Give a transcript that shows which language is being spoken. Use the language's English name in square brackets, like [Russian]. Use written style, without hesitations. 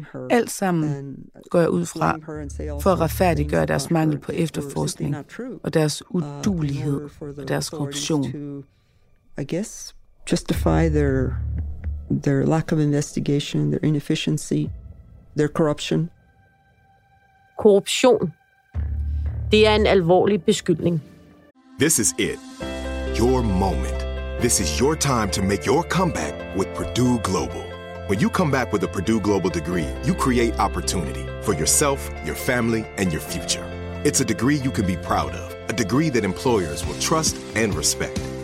[Danish] Alt sammen går jeg ud fra for at retfærdiggøre deres mangel på efterforskning og deres uduelighed og deres korruption. [English] I guess justify their lack of investigation, their inefficiency, their corruption. [Danish] Korruption. Det er en alvorlig beskyldning. [English] This is it. Your moment. This is your time to make your comeback with Purdue Global. When you come back with a Purdue Global degree, you create opportunity for yourself, your family, and your future. It's a degree you can be proud of, a degree that employers will trust and respect.